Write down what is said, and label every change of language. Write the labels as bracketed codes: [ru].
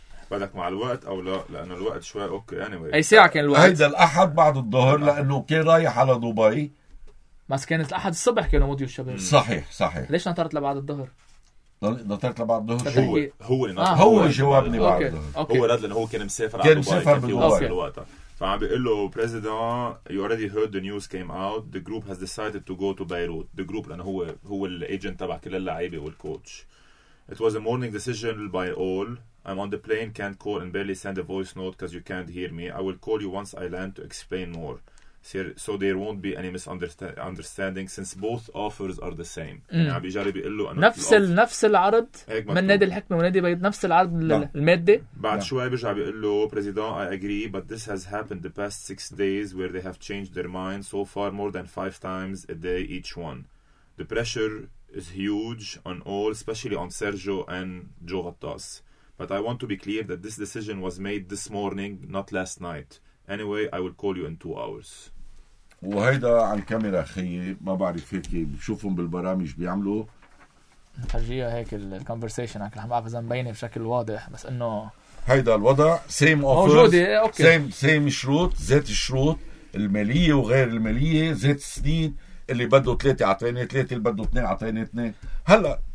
[ar] بدك مع الوقت او لا لانه الوقت شوي اوكي anyway. اي ساعة كان الوقت هيدا الاحد بعد الظهر لانه كان رايح على دبي بس كانت الاحد الصبح كانوا موديو الشباب صحيح صحيح ليش نطرت لبعد الظهر نطرت لبعض الظهر هو هو جوابني بعد الظهر هو رد لانه هو كان مسافر على كان دبي مسافر كان مسافر بدبي الوقت فعم بيقول له [en] President, you already heard the news came out. The group has decided to go to Beirut. The group, [ar] لأنه هو الأجنت تبع كل اللعيبة والكوتش. [en] It was a morning decision by all. I'm on the plane, can't call and barely send a voice note because you can't hear me. I will call you once I land to explain more. so there won't be any misunderstanding since both offers are the same. [ar] يعني عم بيجرب يقول له نفس العرض من نادي الحكمة ونادي بيض نفس العرض المادة. بعد شوي بيرجع بيقول له [en] President, I agree, but this has happened the past 6 days where they have changed their mind so far more than 5 times a day each one. The pressure is huge on all, especially on Sergio and Joe Gattas. But I want to be clear that this decision was made this morning, not last night. Anyway, I will call you in 2 hours. [ar] وهيدا عن كاميرا خيي ما بعرف هيك بشوفهم بالبرامج بيعملوا. خليها هيك ال conversation عكلي حماعة فزم بيني بشكل واضح بس إنه. هيدا الوضع [en] same offers. [ar] موجودة أوكي. same شروط ذات الشروط المالية وغير المالية ذات السنين اللي بدو 3 عطيني 3 اللي بدو 2 عطيني 2 هلا.